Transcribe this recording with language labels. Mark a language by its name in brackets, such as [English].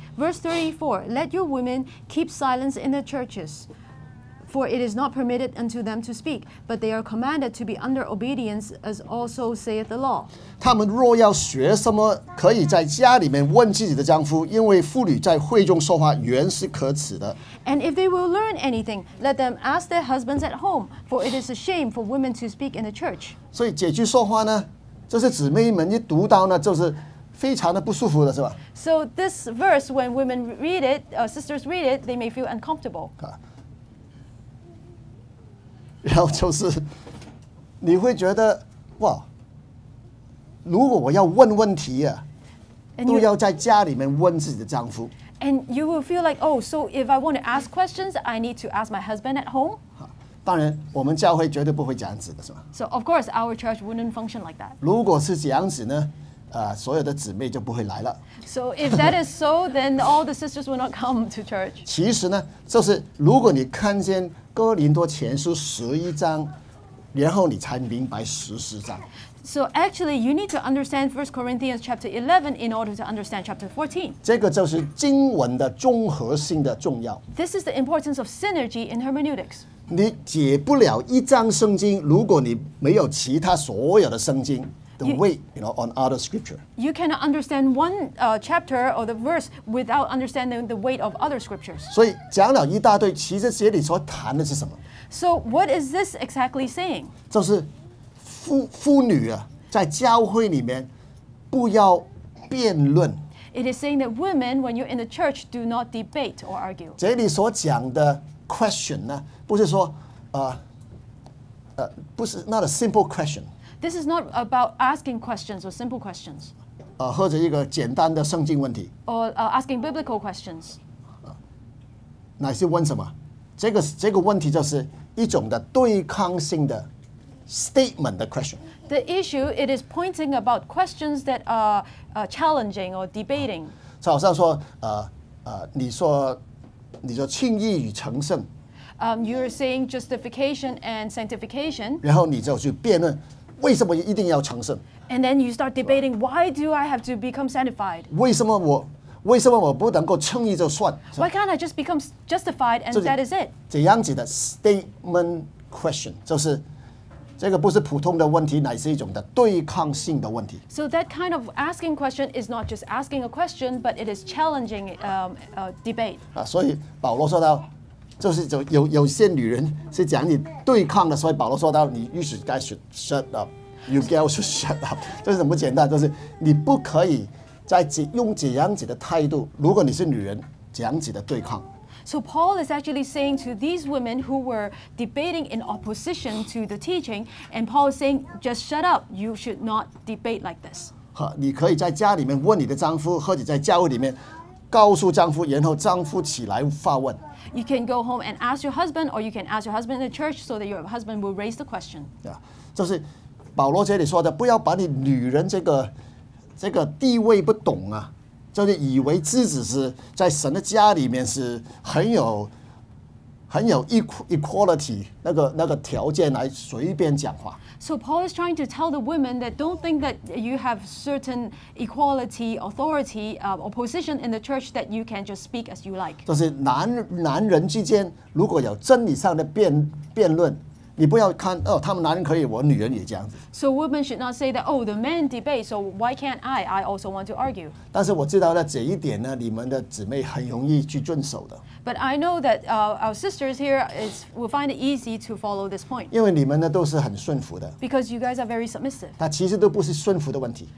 [English] Verse 34, let your women keep silence in the churches, for it is not permitted unto them to speak, but they are commanded to be under obedience, as also saith the law. [Chinese] 他们若要学什么，可以在家里面问自己的丈夫，因为妇女在会众说话原是可耻的。 [English] And if they will learn anything, let them ask their husbands at home, for it is a shame for women to speak in the church. [Chinese] 所以姐姐说话呢，就是姊妹们一读到呢，就是非常的不舒服的，是吧？ [English] So this verse, when women read it, sisters read it, they may feel uncomfortable. [Chinese] 然后就是你会觉得哇，如果我要问问题啊，都要在家里面问自己的丈夫。 [English] And you will feel like, oh, so if I want to ask questions, I need to ask my husband at home. [Chinese] 当然，我们教会绝对不会这样子的，是吧？ [English] So of course, our church wouldn't function like that. [Chinese] 如果是这样子呢，所有的姊妹就不会来了。 [English] So if that is so, then all the sisters will not come to church. [Chinese] 其实呢，就是如果你看见哥林多前书十一章，然后你才明白十四章。 [English] So actually, you need to understand 1 Corinthians chapter 11 in order to understand chapter 14. [Chinese] 这个就是经文的综合性的重要。 [English] This is the importance of synergy in hermeneutics. [Chinese] 你解不了一章圣经，如果你没有其他所有的圣经的 [English] weight, you know, on other scripture. You cannot understand one chapter or the verse without understanding the weight of other scriptures. [Chinese] 所以讲了一大堆，其实这里所谈的是什么？ [English] So what is this exactly saying? [Chinese] 就是妇女啊，在教会里面，不要辩论。 [English] It is saying that women, when you're in the church, do not debate or argue. [Chinese] 这里所讲的 question 呢，不是说，不是 [English] not a simple question. This is not about asking questions or simple questions. [Chinese] 或者一个简单的圣经问题。 [English] Or asking biblical questions. [Chinese] 乃是问什么？这个问题就是一种的对抗性的 statement 的 question. [English] The issue it is pointing about questions that are challenging or debating. [Chinese] 就好像说，你说轻易与成圣。 [English] You're saying justification and sanctification. [Chinese] 然后你就去辩论，为什么一定要成圣？ [English] And then you start debating, why do I have to become sanctified? [Chinese] 为什么我不能够轻易就算？ [English] Why can't I just become justified and that is it? [Chinese] 这样子的 statement question 就是这个不是普通的问题，乃是一种的对抗性的问题。 [English] So that kind of asking question is not just asking a question, but it is challenging debate. [Chinese] 所以保罗说到。就是有些女人是讲你对抗的，所以保罗说到你 [English] you should guys should shut up, [Chinese] you girls should shut up。这是怎么简单？就是你不可以在用这样子的态度，如果你是女人，这样子的对抗。 [English] So Paul is actually saying to these women who were debating in opposition to the teaching, and Paul is saying just shut up, you should not debate like this。 [Chinese] 你可以在家里面问你的丈夫，或者在教会里面告诉丈夫，然后丈夫起来发问。 [English] You can go home and ask your husband, or you can ask your husband in the church so that your husband will raise the question. [Chinese] Yeah, 就是保罗这里说的，不要把你女人这个地位不懂啊，就是以为自己是在神的家里面是很有 equality 那个条件来随便讲话。 [English] So Paul is trying to tell the women that don't think that you have certain equality, authority, or position in the church that you can just speak as you like. [Chinese] 就是男人之间如果有真理上的辩论，你不要看哦，他们男人可以，我女人也这样子。 [English] So women should not say that, oh, the men debate, so why can't I? I also want to argue. [Chinese] 但是我知道了这一点呢，你们的姊妹很容易去遵守的。 [English] But I know that our sisters here will find it easy to follow this point. [Chinese] 因为你们呢都是很顺服的。 [English] Because you guys are very submissive. [Chinese] 但其实都不是顺服的问题。